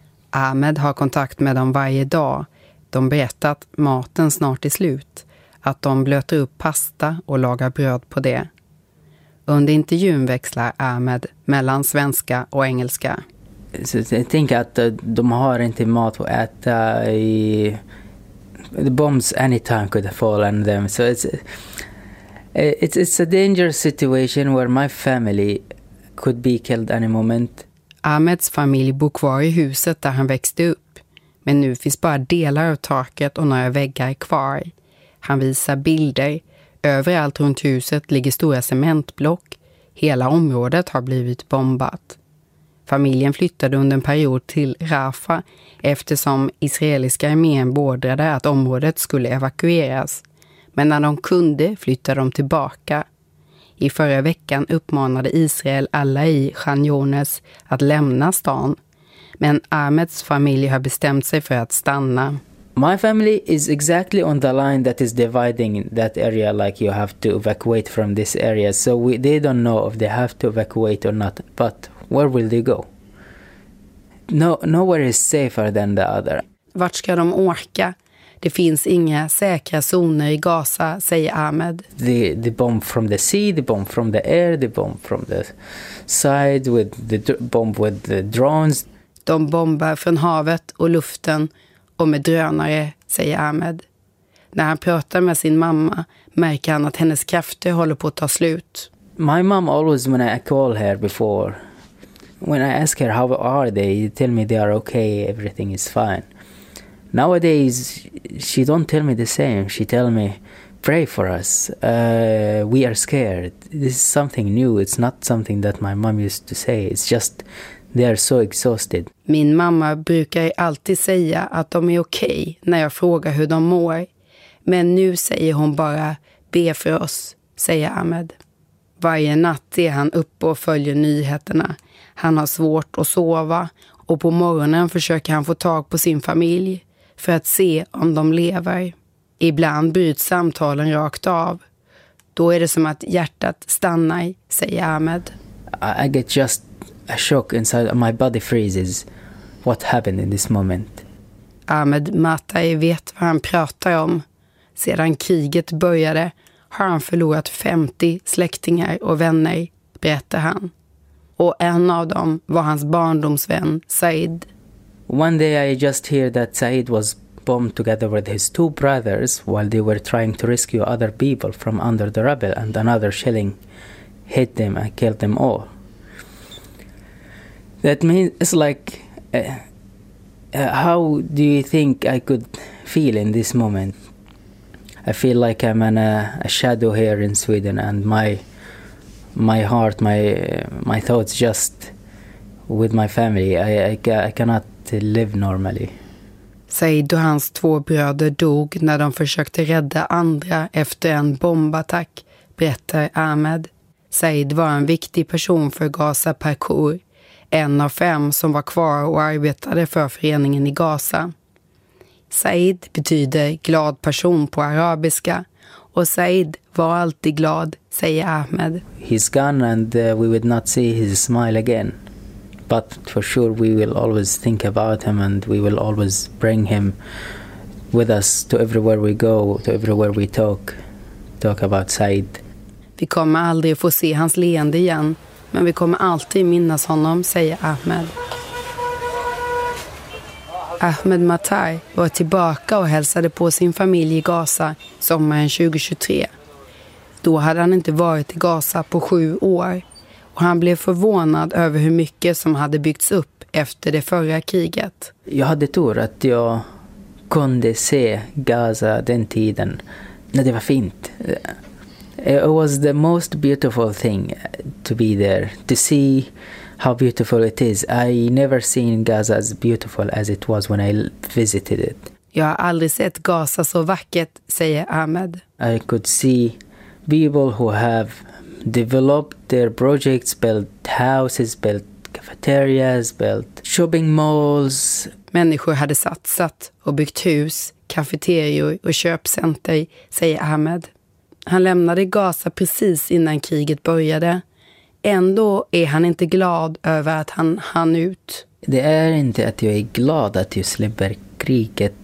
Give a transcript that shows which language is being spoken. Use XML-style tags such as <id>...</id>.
<sv>Ahmed har kontakt med dem varje dag. De berättar att maten snart är slut. Att de blöter upp pasta och lagar bröd på det. Under intervjun växlar Ahmed mellan svenska och engelska. Jag tänker att de har inte mat att äta.</sv> <en>The bombs anytime could fall on them. So it's a dangerous situation where my family could be killed any moment.</en> <sv>Ahmeds familj bor kvar i huset där han växte upp. Men nu finns bara delar av taket och några väggar kvar. Han visar bilder. Överallt runt huset ligger stora cementblock. Hela området har blivit bombat. Familjen flyttade under en period till Rafah eftersom israeliska armén beordrade att området skulle evakueras. Men när de kunde flyttade de tillbaka. I förra veckan uppmanade Israel alla i Khan Younes att lämna stan. Men Ahmeds familj har bestämt sig för att stanna.</sv> <en>My family is exactly on the line that is dividing that area, like you have to evacuate from this area. So they don't know if they have to evacuate or not, but where will they go? Nowhere is safer than the other.</en> <sv>Vart ska de åka? Det finns inga säkra zoner i Gaza, säger Ahmed.</sv> <en>The bomb from the sea, the bomb from the air, the bomb from the side, with the bomb with the drones.</en> <sv>De bombar från havet och luften. Och med drönare, säger Ahmed. När han pratar med sin mamma märker han att hennes krafter håller på att ta slut.</sv> <en>My mom always, when I call her before, when I ask her how are they, you tell me they are okay, everything is fine. Nowadays, she don't tell me the same. She tell me, pray for us. We are scared. This is something new. It's not something that my mom used to say. It's just they are so exhausted.</en> <sv>Min mamma brukar alltid säga att de är okej när jag frågar hur de mår. Men nu säger hon bara, be för oss, säger Ahmed. Varje natt är han uppe och följer nyheterna. Han har svårt att sova och på morgonen försöker han få tag på sin familj för att se om de lever. Ibland bryts samtalen rakt av. Då är det som att hjärtat stannar, säger Ahmed.</sv> <en>I get just a shock inside, my body freezes. What happened in this moment?</en> <sv>Ahmed Matai vet vad han pratar om. Sedan kriget började har han förlorat 50 släktingar och vänner, berättar han. Och en av dem var hans barndomsvän Said.</sv> <en>One day I just hear that Said was bombed together with his two brothers while they were trying to rescue other people from under the rubble, and another shelling hit them and killed them all. That means it's like how do you think I could feel in this moment? I feel like I'm in a shadow here in Sweden, and my heart, my thoughts just with my family. I cannot live normally.</en> <sv>Said och hans två bröder dog när de försökte rädda andra efter en bombattack, berättar Ahmed. Said var en viktig person för Gaza Parkour, en av fem som var kvar och arbetade för föreningen i Gaza. Said betyder glad person på arabiska, och Said var alltid glad, säger Ahmed.</sv> <en>He's gone and we would not see his smile again. But for sure we will always think about him and we will always bring him with us to everywhere we go, to everywhere we talk about Said.</en> <sv>Vi kommer aldrig få se hans leende igen, men vi kommer alltid minnas honom, säger Ahmed. Ahmed Matai var tillbaka och hälsade på sin familj i Gaza sommaren 2023. Då hade han inte varit i Gaza på 7 år. Och han blev förvånad över hur mycket som hade byggts upp efter det förra kriget. Jag hade tur att jag kunde se Gaza den tiden när det var fint.</sv> <en>It was the most beautiful thing to be there, to see how beautiful it is. I never seen Gaza as beautiful as it was when I visited it.</en> <sv>Jag har aldrig sett Gaza så vackert, säger Ahmed.</sv> <en>I could see people who have developed their projects, built houses, built cafeterias, built shopping malls.</en> <sv>Människor hade satsat och byggt hus, cafeterior och köpcenter, säger Ahmed. Han lämnade Gaza precis innan kriget började. Ändå är han inte glad över att han hann ut. Det är inte att jag är glad att jag slipper kriget.</sv>